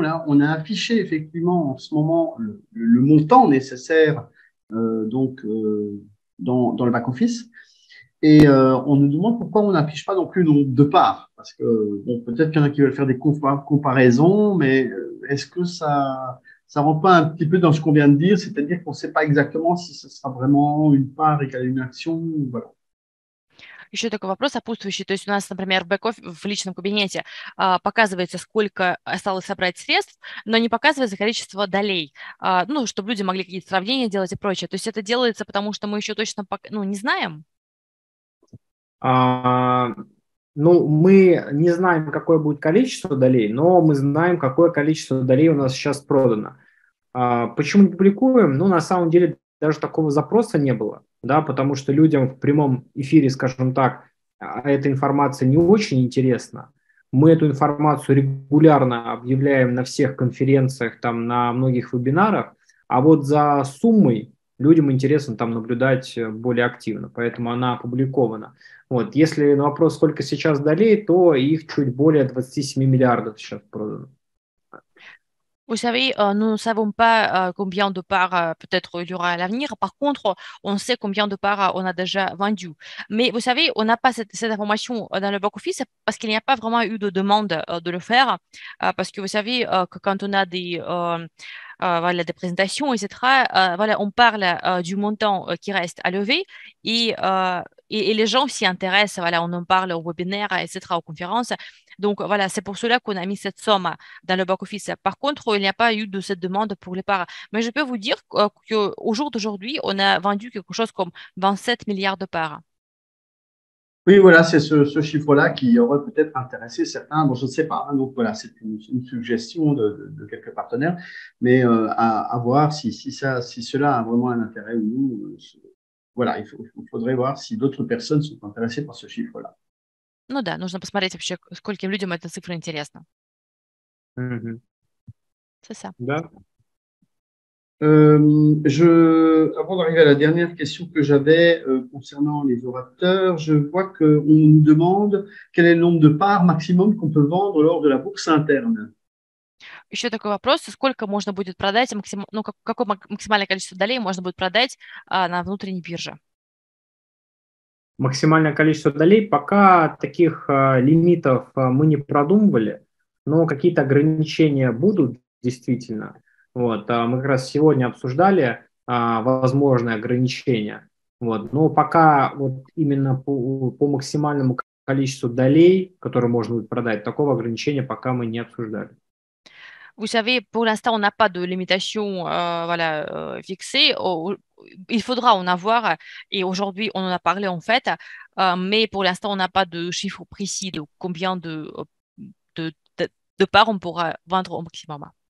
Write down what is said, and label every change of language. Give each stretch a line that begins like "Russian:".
French: Là, on a affiché effectivement en ce moment le montant nécessaire dans le back office, et on nous demande pourquoi on n'affiche pas non plus le nombre de parts. Parce que bon, peut-être qu'il y en a qui veulent faire des comparaisons, mais est-ce que ça rentre pas un petit peu dans ce qu'on vient de dire, c'est-à-dire qu'on ne sait pas exactement si ce sera vraiment une part égale à une action, voilà.
Russian: Еще такой вопрос сопутствующий. То есть у нас, например, в личном кабинете показывается, сколько осталось собрать средств, но не показывается количество долей, ну, чтобы люди могли какие-то сравнения делать и прочее. То есть это делается, потому что мы еще точно не знаем? Ну, мы не знаем, какое будет количество долей, но мы знаем, какое количество долей у нас сейчас продано. Почему не публикуем? Ну, на самом деле, даже такого запроса не было, да, потому что людям в прямом эфире, скажем так, эта информация не очень интересна. Мы эту информацию регулярно объявляем на всех конференциях, там, на многих вебинарах, а вот за суммой людям интересно там наблюдать более активно, поэтому она опубликована. Вот, если на вопрос, сколько сейчас долей, то их чуть более 27 миллиардов сейчас продано.
French: Vous savez, nous ne savons pas combien de parts peut-être il y aura à l'avenir. Par contre, on sait combien de parts on a déjà vendues. Mais vous savez, on n'a pas cette information dans le back office parce qu'il n'y a pas vraiment eu de demande de le faire. Parce que vous savez que quand on a des présentations, etc., on parle du montant qui reste à lever et les gens s'y intéressent. Voilà, on en parle au webinaire, etc., aux conférences. Donc voilà, c'est pour cela qu'on a mis cette somme dans le back-office. Par contre, il n'y a pas eu de cette demande pour les parts. Mais je peux vous dire qu'au jour d'aujourd'hui, on a vendu quelque chose comme 27 milliards de parts. Oui, voilà, c'est ce chiffre-là qui aurait peut-être intéressé certains. Bon, je ne sais pas. Donc voilà, c'est une suggestion de quelques partenaires. Mais à voir si cela a vraiment un intérêt ou non. Voilà, il faudrait voir si d'autres personnes sont intéressées par ce chiffre-là.
Russian: Ну да, нужно посмотреть вообще, скольким людям эта цифра интересна. Mm-hmm. Да.
French: Avant d'arriver à la dernière question que j'avais concernant les orateurs, je vois qu'on nous demande quel est le nombre de parts maximum qu'on peut vendre lors de la bourse interne.
Russian: Еще такой вопрос, сколько можно будет продать, какое максимальное количество долей можно будет продать на внутренней бирже? максимальное количество долей. Пока таких лимитов мы не продумывали, но какие-то ограничения будут действительно. Вот, мы как раз сегодня обсуждали возможные ограничения. Вот, но пока вот именно по максимальному количеству долей, которые можно будет продать, такого ограничения пока мы не обсуждали.
French: Vous savez, pour l'instant, on n'a pas de limitation fixée. Il faudra en avoir. Et aujourd'hui, on en a parlé, en fait. Mais pour l'instant, on n'a pas de chiffre précis de combien de parts on pourra vendre au maximum.